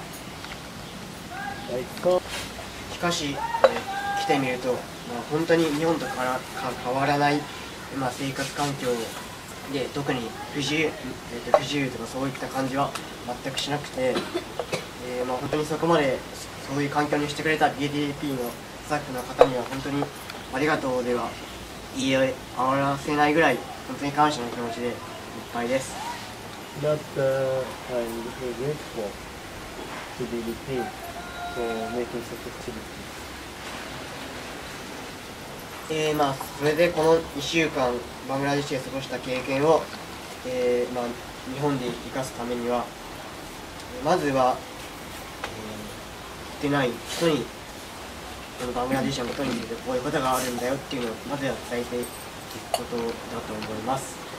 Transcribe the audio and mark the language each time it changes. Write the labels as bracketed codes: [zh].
[ja] しかし、来てみると、まあ、本当に日本と変わらない、まあ、生活環境で特に不自由とかそういった感じは全くしなくて、まあ、本当にそこまでそういう環境にしてくれた BDP のスタッフの方には本当にありがとうでは言い表せないぐらい本当に感謝の気持ちでいっぱいです。 [en] But I'm really grateful to be with you for making such activities. [ja] まあそれでこの1週間バングラディッシュで過ごした経験を、まあ日本で生かすためにはまずは、来てない人に。このバングラディッシュのことについてこういうことがあるんだよっていうのをまずは伝えていくことだと思います。